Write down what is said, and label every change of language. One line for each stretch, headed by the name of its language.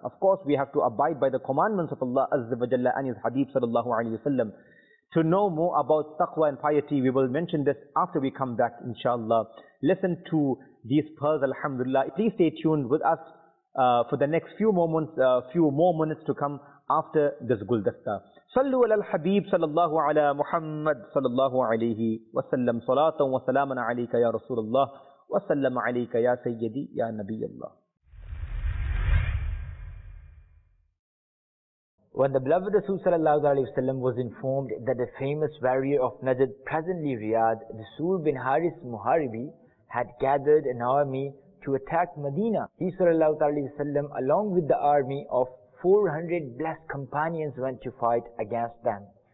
English: Of course, we have to abide by the commandments of Allah azza wa jalla and his hadith sallallahu alayhi wa sallam. To know more about taqwa and piety, we will mention this after we come back, inshallah. Listen to these pearls, alhamdulillah. Please stay tuned with us for the next few moments, few more minutes to come after this guldasta.
Arabic: صلوا على الحبيب صلى الله على محمد صلى الله عليه وسلم صلاة وسلاما عليك يا رسول الله وسلم عليك يا سيدي يا نبي الله.
English: When the beloved Rasul sallallahu alayhi wa sallam was informed that the famous warrior of Najd, presently Riyadh, Rasul bin Haris Muharibi, had gathered an army to attack Medina, he sallallahu alayhi wa sallam, along with the army of 400 blessed companions, went to fight against them.